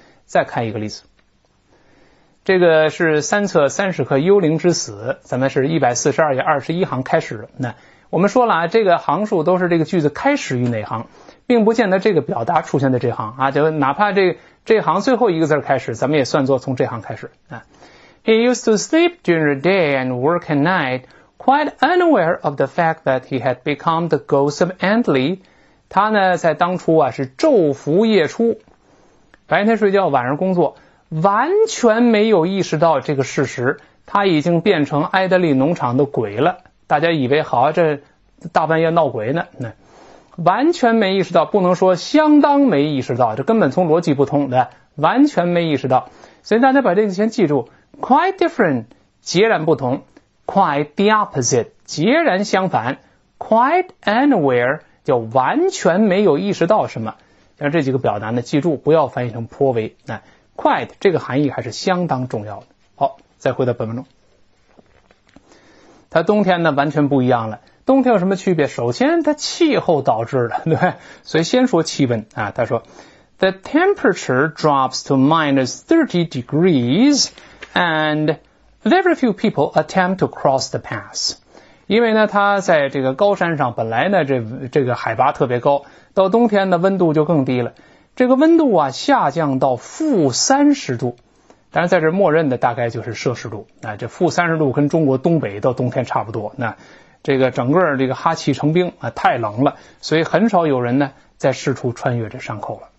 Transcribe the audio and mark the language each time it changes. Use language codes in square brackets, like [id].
[zh] 再看一个例子，这个是三册30课幽灵之死，咱们是142页21行开始。那我们说了，这个行数都是这个句子开始于哪行，并不见得这个表达出现的这行啊，就哪怕这行最后一个字开始，咱们也算作从这行开始啊。 [en] He used to sleep during the day and work at night, quite unaware of the fact that he had become the ghost of Andley. [zh] 他呢，在当初啊是昼伏夜出，白天睡觉，晚上工作，完全没有意识到这个事实，他已经变成埃德利农场的鬼了。大家以为好，这大半夜闹鬼呢，那完全没意识到，不能说相当没意识到，这根本从逻辑不通的，完全没意识到。所以大家把这个先记住。 [en] Quite different, [zh] 截然不同。 [en] Quite the opposite, [zh] 截然相反。 [en] Quite unaware, [zh] 就完全没有意识到什么。像这几个表达呢，记住不要翻译成颇为。那 quite 这个含义还是相当重要的。好，再回到本文中。它冬天呢完全不一样了。冬天有什么区别？首先它气候导致的，对不对？所以先说气温啊，他说 [en] ,The temperature drops to minus 30 degrees,And very few people attempt to cross the pass. [zh] 因为呢，它在这个高山上，本来呢，这个海拔特别高，到冬天呢，温度就更低了。这个温度啊，下降到-30°C。当然，在这默认的大概就是摄氏度。那这-30°C跟中国东北到冬天差不多。那这个整个这个哈气成冰啊，太冷了，所以很少有人呢再试图穿越这山口了。